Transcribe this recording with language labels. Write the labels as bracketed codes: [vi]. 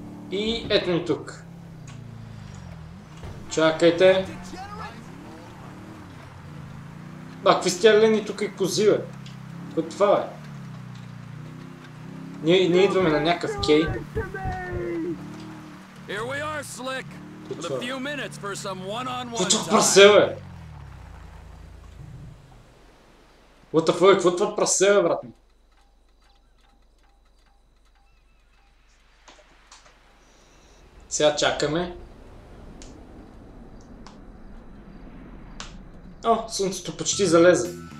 [bg] И ето ни тук. Чакайте. Ба, какви сте лени тук и кози, бе? Какво това, бе? Ние идваме на някакъв кей. [en] Here we are, Slick. With a few minutes for some one-on-one time. [bg] Това прасе, бе? [en] What the fuck? [bg] Какво това прасе, бе, брат ми? Сега чакаме. О, слънцето почти залезе.